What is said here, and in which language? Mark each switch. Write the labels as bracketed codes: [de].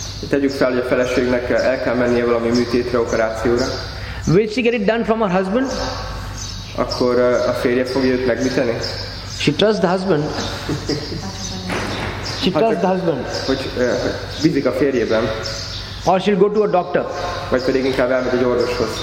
[hu] Tegyük fel, hogy a feleségnek el kell mennie valami műtétre, operációra. [en] Will she get it done from her husband? [hu] Akkor a férje fogja őt megműteni? [en] She trusts the husband. She trusts the husband. [hu] Hogy bízik a férjében. [en] Or she'll go to a doctor. [hu] Vagy pedig inkább elmegy egy orvoshoz.